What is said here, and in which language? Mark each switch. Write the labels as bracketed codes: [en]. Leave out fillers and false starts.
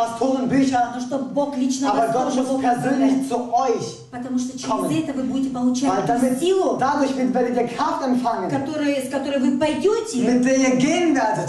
[ru] Пасторы, [de] Bücher. [ru] Но чтобы Бог лично [de] aber Gott muss persönlich zu euch kommen. [ru] Потому что через это вы будете получать силу, [de] dadurch werdet ihr Kraft empfangen, [ru] которой вы пойдете, [de] mit der ihr gehen werdet,